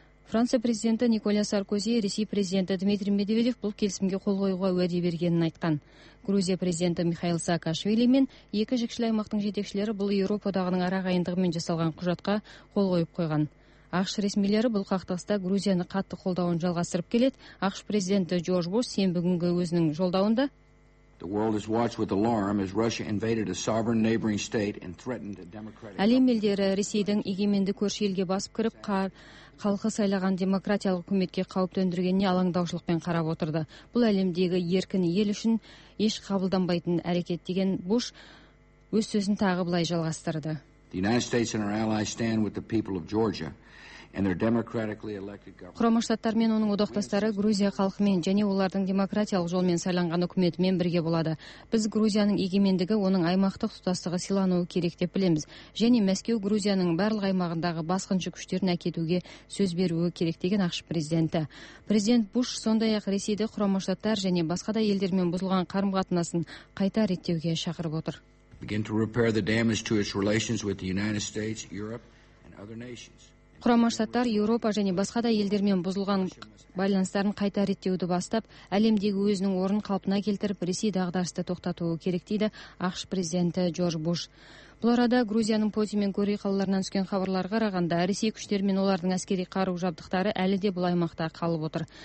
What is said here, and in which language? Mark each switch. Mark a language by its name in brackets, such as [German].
[Kazakh] Франция президенті Николя Саркози, Ресей президенті Дмитрий Медведев бұл келісімге қол қоюға уәде бергенін айтқан. Грузия президенті Михаил Саакашвили мен екі жекшіл аймақтың жетекшілері бұл Еуропадағының арағайындығымен жасалған құжатқа қол қойып қойған. Ақш ресмилері бұл қақтығыста Грузияны қатты қолдауын жалғастырып келеді. Ақш президенті Джордж Буш сенбі күні өзінің жолдауында [English] The world is watched with alarm as Russia invaded a sovereign neighboring state and threatened a democratic. [Kazakh] Әлем елдері Ресейдің егеменді көрші елге басып кіріп, халқы сайлаған демократиялық үкіметке қауіп төндіргеніне алаңдаушылықпен қарап отырды. Бұл әлемдегі еркін ел үшін еш қабылданбайтын әрекет деген Буш өз сөзін тағы былай жалғастырды. [English] The United States and our allies stand with the people of Georgia. And their democratically elected government. [Kazakh] Құрама Штаттар мен оның одақтастары Грузия халқымен және олардың демократиялық жолмен сайланған үкіметімен бірге болады. Біз Грузияның егемендігі оның аймақтық тұтастығы сылануы керек деп білеміз. Және Мәскеу Грузияның барлық аймағындағы басқыншы күштерін әкетуге сөз беруі керек деген ақш президенті. Президент Буш сондай-ақ Ресейді Құрама Штаттар және басқа да елдермен бұзылған қарым-қатынасын қайта реттеуге шақырып отыр. [English] Begin to repair the damage to its relations with the United States, Europe and other nations. [Kazakh] Құрама Штаттар Еуропа және басқа да елдермен бұзылған байланыстарын қайта реттеуді бастап, әлемдегі өзінің орнын қалпына келтіріп, Ресей дағдарысты тоқтатуы керек дейді ақш президенті Джордж Буш. Бұл арада Грузияның Поти мен Гори қалаларынан түскен хабарларға қарағанда, Ресей күштері мен олардың әскери қару жабдықтары әлі де бұл аймақта қалып отыр.